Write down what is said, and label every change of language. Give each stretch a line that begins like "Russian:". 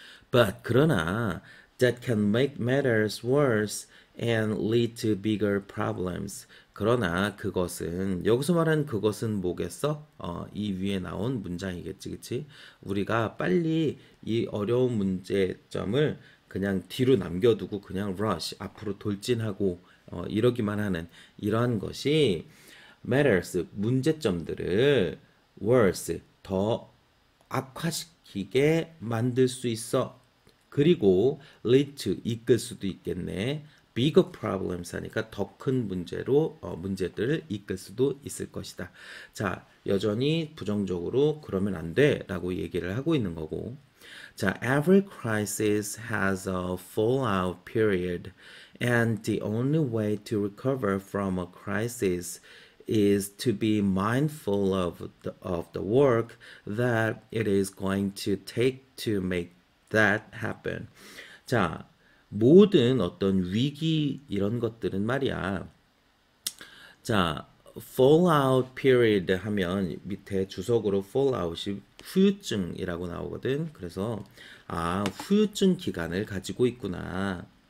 English: But
Korean: 그러나
English: that can make matters worse and lead to bigger problems.
Korean: 그러나 그것은 여기서 말하는 그것은 뭐겠어? 이 위에 나온 문장이겠지, 그치? 우리가 빨리 이 어려운 문제점을 그냥 뒤로 남겨두고 그냥 rush 앞으로 돌진하고 이러기만 하는 이러한 것이 matters 문제점들을 worse 더 악화시키게 만들 수 있어. 그리고 lead to 이끌 수도 있겠네.
English: bigger problems
Korean: 하니까 더큰 문제로 문제들을 이끌 수도 있을 것이다. 자, 여전히 부정적으로 그러면 안 돼라고 얘기를 하고 있는 거고.
English: 자, every crisis has a fallout period and the only way to recover from a crisis is to be mindful of the work that it is going to take to make That happen.
Korean: 자, 모든 어떤 위기 이런 것들은 말이야. 자, fallout period 하면 밑에 주석으로 fallout이 후유증이라고 나오거든. 그래서 아, 후유증 기간을 가지고 있구나.